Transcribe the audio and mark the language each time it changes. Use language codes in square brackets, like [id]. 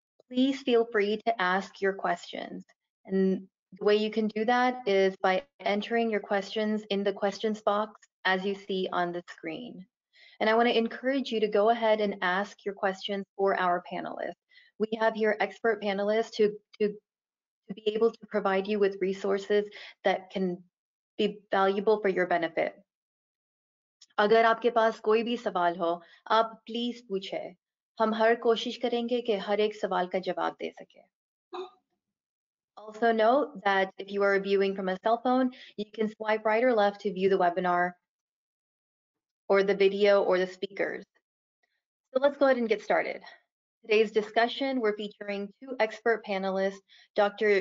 [en] Please feel free to ask your questions. And the way you can do that is by entering your questions in the questions box as you see on the screen. And I want to encourage you to go ahead and ask your questions for our panelists. We have here expert panelists to be able to provide you with resources that can be valuable for your benefit. [ur] اگر آپکے پاس کوئی بھی سوال ہو، آپ please پوچھے۔ ہم ہر کوشش کریں گے کہ ہر ایک سوال کا جواب دے سکے۔ [en] Also note that if you are viewing from a cell phone, you can swipe right or left to view the webinar or the video or the speakers. So let's go ahead and get started. Today's discussion, we're featuring two expert panelists, Dr.